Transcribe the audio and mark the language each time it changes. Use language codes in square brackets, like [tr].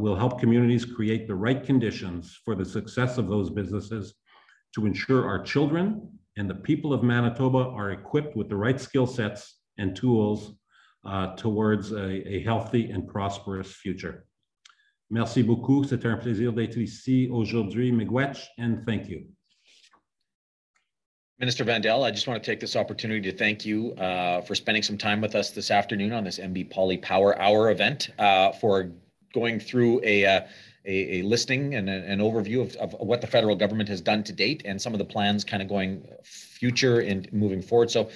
[en] We'll help communities create the right conditions for the success of those businesses to ensure our children and the people of Manitoba are equipped with the right skill sets and tools towards a healthy and prosperous future. [fr] Merci beaucoup. C'est un plaisir d'être ici aujourd'hui, Miigwech, [en] and thank you. Minister Vandal, I just want to take this opportunity to thank you for spending some time with us this afternoon on this MB Poly Power Hour event, for going through a listing and an overview of what the federal government has done to date and some of the plans kind of going future and moving forward.